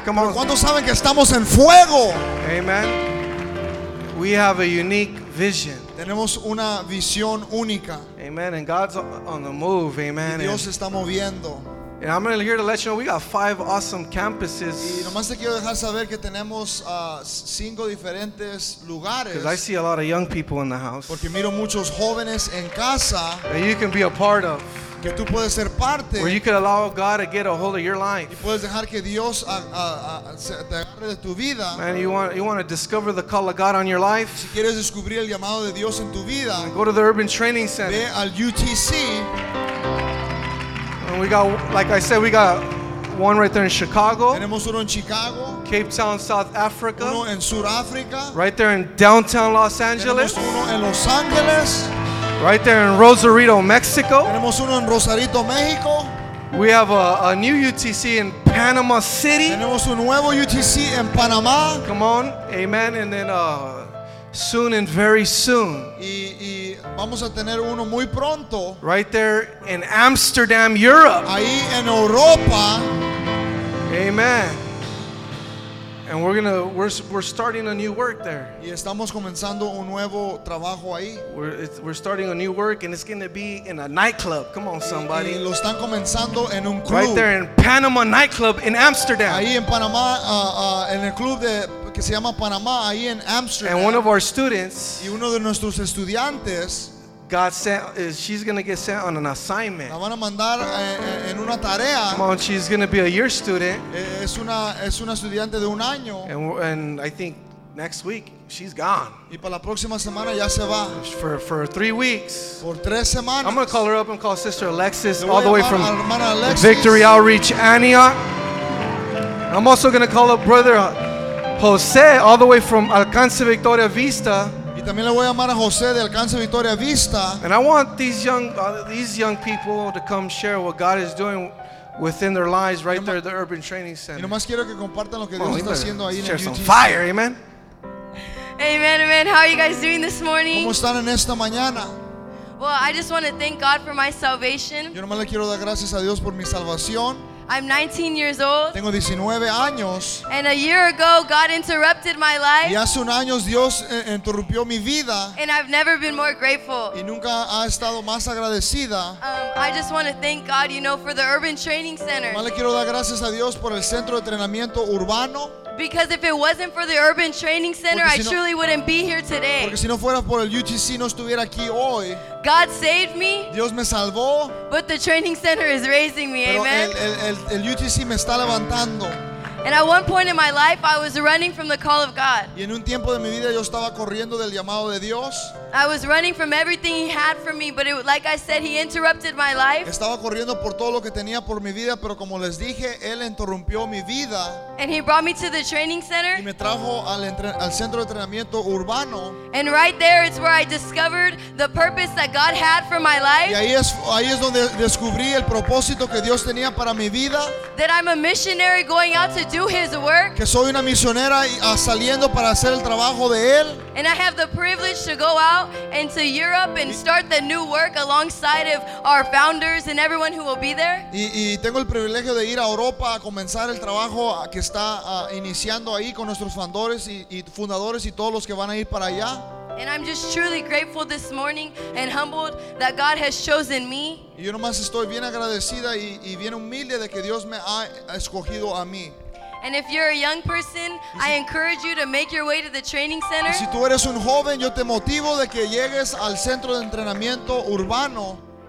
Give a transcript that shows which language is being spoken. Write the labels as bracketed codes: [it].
[en] Come on. [es] ¿Cuántos saben que estamos en fuego? [en] Amen. We have a unique vision. [es] Tenemos una visión única. [en] Amen. And God's on the move. Amen. [es] Y Dios está moviendo. [en] And I'm really here to let you know we got five awesome campuses. [es] Y nomás te quiero dejar saber que tenemos cinco diferentes lugares. [en] Because I see a lot of young people in the house. [es] Porque miro muchos jóvenes en casa. [en] That you can be a part of. [es] Que tú puedes ser parte. [en] Where you can allow God to get a hold of your life. [es] Y puedes dejar que Dios te agarre de tu vida. [en] Man, you want to discover the call of God on your life? [es] Si quieres descubrir el llamado de Dios en tu vida. [en] Go to the Urban Training Center. [es] Ve al UTC. [en] And we got, like I said, we got one right there in Chicago. [es] Tenemos uno en Chicago. [en] Cape Town, South Africa. [es] Uno en Sudáfrica. [en] Right there in downtown Los Angeles. [es] Tenemos uno en Los Angeles. [en] Right there in Rosarito, Mexico. [es] Tenemos uno en Rosarito, México. [en] We have a new UTC in Panama City. [es] Tenemos un nuevo UTC en Panamá. [en] Come on, amen. And then soon and very soon. [es] Y vamos a tener uno muy pronto. [en] Right there in Amsterdam, Europe. [es] Ahí en Europa. [en] Amen. And we're starting a new work there. [es] Y estamos comenzando un nuevo trabajo ahí. [en] We're starting a new work, and it's going to be in a nightclub. Come on, somebody. [es] Y lo están comenzando en un club. [en] Right there in Panama nightclub in Amsterdam. [es] Ahí en Panamá, en el club de que se llama Panamá, ahí en Amsterdam. [en] And one of our students. [es] Y uno de nuestros estudiantes. [en] God sent, she's going to get sent on an assignment. [es] La van a mandar en una tarea. [en] Come on, she's going to be a year student. [es] Es una estudiante de un año. [en] And I think next week, she's gone. [es] Y para la próxima semana ya se va. [en] For 3 weeks. [es] Por tres semanas. [en] I'm going to call her up and call Sister Alexis all the way from Alexis. Victory Outreach Antioch. And I'm also going to call up Brother Jose all the way from Alcance Victoria Vista. [es] Y también le voy a llamar a José de Alcance Victoria Vista. [en] And I want these young people to come share what God is doing within their lives right there at the Urban Training Center. [es] Y nomás quiero que compartan lo que Dios está haciendo ahí en el UT. [en] Share some fire, amen. Amen, amen. How are you guys doing this morning? [es] ¿Cómo están en esta mañana? [en] Well, I just want to thank God for my salvation. [es] Yo nomás le quiero dar gracias a Dios por mi salvación. [en] I'm 19 years old. [es] Tengo 19 años. [en] And a year ago, God interrupted my life. [es] Y hace un año Dios interrumpió mi vida. [en] And I've never been more grateful. [es] Y nunca ha estado más agradecida. [en] I just want to thank God, you know, for the Urban Training Center. [es] Le quiero dar gracias a Dios por el centro de entrenamiento urbano. [en] Because if it wasn't for the Urban Training Center, [es] si no, [en] I truly wouldn't be here today. [es] Porque si no fuera por el UTC, no estuviera aquí hoy. [en] God saved me. [es] Dios me salvó. [en] But the training center is raising me. [es] Pero amen. El UTC me está levantando. [en] And at one point in my life, I was running from the call of God. [es] Y en un tiempo de mi vida yo estaba corriendo del llamado de Dios. [en] I was running from everything He had for me, but like I said, He interrupted my life. [es] Estaba corriendo por todo lo que tenía por mi vida, pero como les dije, Él interrumpió mi vida. [en] And He brought me to the training center. [es] Y me trajo al centro de entrenamiento urbano. [en] And right there is where I discovered the purpose that God had for my life. [es] Y ahí es donde descubrí el propósito que Dios tenía para mi vida. [en] That I'm a missionary going out to do His work. [es] Que soy una misionera saliendo para hacer el trabajo de Él. [en] And I have the privilege to go out into Europe and start the new work alongside of our founders and everyone who will be there. [es] Y tengo el privilegio de ir a Europa a comenzar el trabajo que está iniciando ahí con nuestros fundadores y fundadores y todos los que van a ir para allá. [en] And I'm just truly grateful this morning and humbled that God has chosen me. [es] Yo nomás estoy bien agradecida y bien humilde de que Dios me ha escogido a mí. [en] And if you're a young person, I encourage you to make your way to the training center. [es] Si tú eres un joven, yo te motivo de que llegues al centro de entrenamiento urbano.